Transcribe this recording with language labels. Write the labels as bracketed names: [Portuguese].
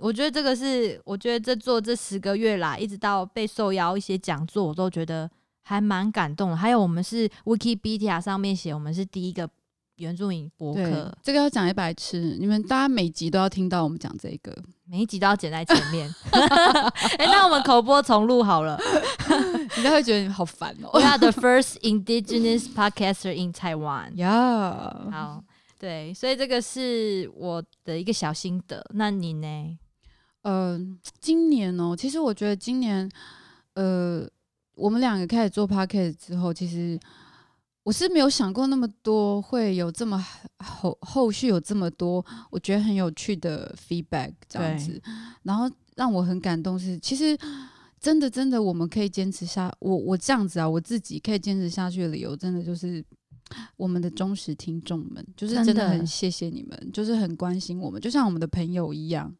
[Chinese] 我觉得这个是，我觉得这十个月来，一直到被受邀一些讲座，我都觉得还蛮感动的。还有，我们是 Wikipedia 上面写，我们是第一个原住民博客。對，这个要讲100次，你们大家每集都要听到我们讲这个。每一集都要剪在前面那我们口播重录好了你家会觉得你好烦哦。 [English] We are the first indigenous podcaster in Taiwan、 yeah. [Chinese] 好，对，所以这个是我的一个小心得。那你呢？今年哦，其实我觉得今年我们两个开始做 podcast 之后，其实我是没有想过那么多会有这么后续有这么多我觉得很有趣的 feedback 这样子，然后让我很感动是其实真的我们可以坚持下我这样子啊，我自己可以坚持下去的理由真的就是我们的忠实听众们，就是真的很谢谢你们，就是很关心我们，就像我们的朋友一样。